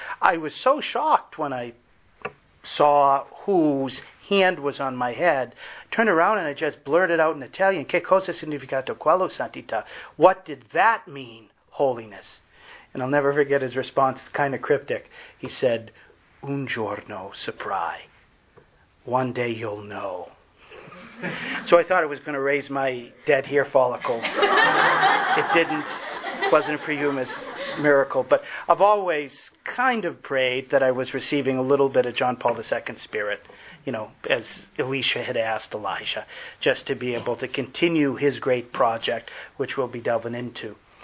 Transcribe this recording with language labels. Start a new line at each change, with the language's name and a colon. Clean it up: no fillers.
English: I was so shocked when I saw whose hand was on my head, turned around and I just blurted out in Italian,
Italian: Che cosa significato quello, Santita?
English: What did that mean, holiness? And I'll never forget his response, it's kind of cryptic. He said,
Italian: un giorno saprai.
English: One day you'll know. So I thought it was going to raise my dead hair follicles. It didn't. It wasn't a prehumous miracle. But I've always kind of prayed that I was receiving a little bit of John Paul II's spirit, you know, as Elisha had asked Elijah, just to be able to continue his great project, which we'll be delving into.